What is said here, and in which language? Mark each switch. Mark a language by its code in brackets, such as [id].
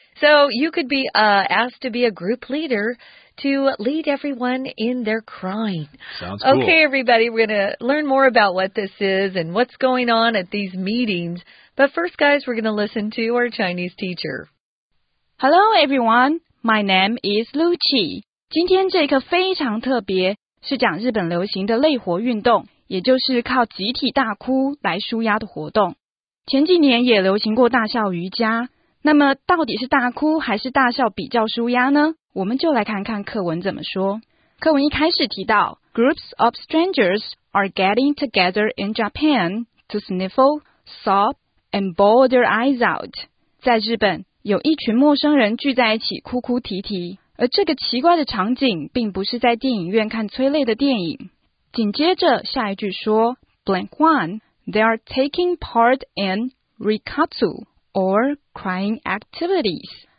[en] So you could be asked to be a group leader to lead everyone in their crying. Sounds cool. Okay, everybody, we're going to learn more about what this is and what's going on at these meetings. But first, guys, we're going to listen to our Chinese teacher. Hello, everyone. My name is Lu Qi. [zh] 今天这课非常特别，是讲日本流行的泪活运动，也就是靠集体大哭来抒压的活动。前几年也流行过大笑瑜伽，那么到底是大哭还是大笑比较抒压呢？我们就来看看课文怎么说。课文一开始提到 [en] Groups of strangers are getting together in Japan to sniffle, sob, and bawl their eyes out. [zh] 在日本有一群陌生人聚在一起哭哭啼啼，而这个奇怪的场景并不是在电影院看催泪的电影。紧接着下一句说 [en] Blank one, they are taking part in Rikatsu or crying activities.